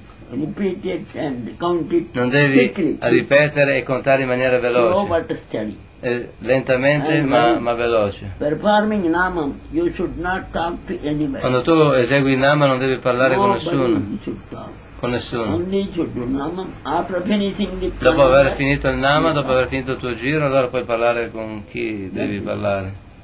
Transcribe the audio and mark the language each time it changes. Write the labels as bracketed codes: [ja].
[it] Non devi ripetere e contare in maniera veloce. Lentamente ma veloce. [en] Performing nama, you should not talk to anybody. [it] Quando tu esegui il nama non devi parlare [en] nobody [it] con nessuno. Con nessuno. Dopo aver finito il nama, dopo aver finito il tuo giro, allora puoi parlare con chi devi parlare.